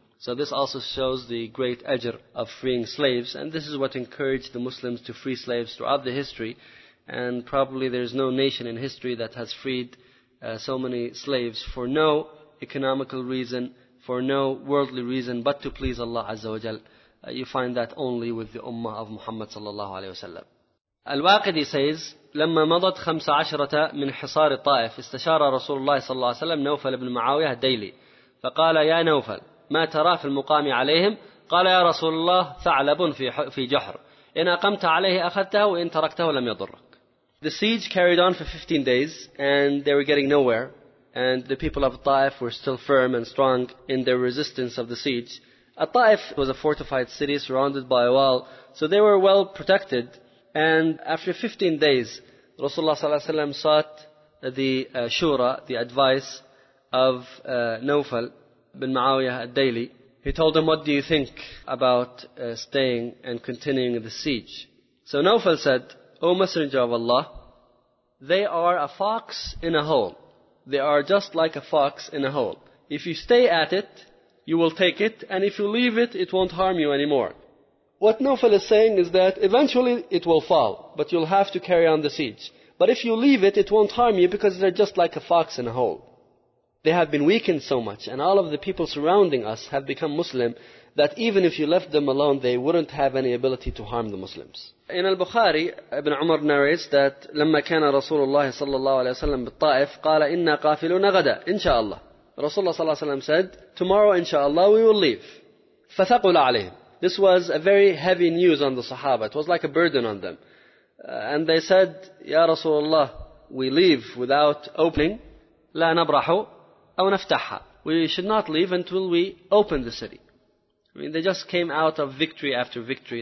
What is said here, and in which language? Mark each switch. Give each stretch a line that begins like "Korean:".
English: So this also shows the great ajr of freeing slaves, and this is what encouraged the Muslims to free slaves throughout the history. And probably there is no nation in history that has freed so many slaves for no economical reason, for no worldly reason, but to please Allah Azza wa Jal. You find that only with the Ummah of Muhammad sallallahu alayhi wa sallam. Al-Waqidi says,
Arabic: لما مضت خمس عشرة من حصار الطائف استشار رسول الله صلى الله عليه وسلم نوفل بن معاوية الديلي فقال يا نوفل ما ترى في المقام عليهم؟ قال يا رسول الله ثعلب في جحر إن أقمت عليه أخذته وإن تركته لم يضرك.
English: The siege carried on for 15 days and they were getting nowhere, and the people of Taif were still firm and strong in their resistance of the siege. Taif was a fortified city surrounded by a wall, so they were well protected. And after 15 days, Rasulullah sallallahu alaihi wasallam sought the shura, the advice of Nawfal bin Muawiyah al-Dayli. He told him, what do you think about staying and continuing the siege? So Nawfal said, O Messenger of Allah, they are a fox in a hole. They are just like a fox in a hole. If you stay at it, you will take it. And if you leave it, it won't harm you anymore. What Nawfal is saying is that eventually it will fall, but you'll have to carry on the siege. But if you leave it, it won't harm you because they're just like a fox in a hole. They have been weakened so much, and all of the people surrounding us have become Muslim, that even if you left them alone, they wouldn't have any ability to harm the Muslims. In al-Bukhari, Ibn Umar narrates that
Arabic: لَمَّا كَانَ رَسُولُ اللَّهِ صَلَّى اللَّهُ عَلَيْهِ وَسَلَّمْ بِالطَّائِفِ قَالَ إِنَّا قَافِلُونَ غَدًا إِنْشَاءَ.
English: Rasulullah sallallahu alayhi wa said, tomorrow inshaAllah we will leave.
Arabic: فَثَقُلَ عَلَيْهِمْ.
English: This was a very heavy news on the Sahaba. It was like a burden on them. And they said, Ya Rasulullah, we leave without opening.
Arabic: لَا نَبْرَحُ أَوْ نَفْتَحَ.
English: We should not leave until we open the city. I mean, they just came out of victory after victory.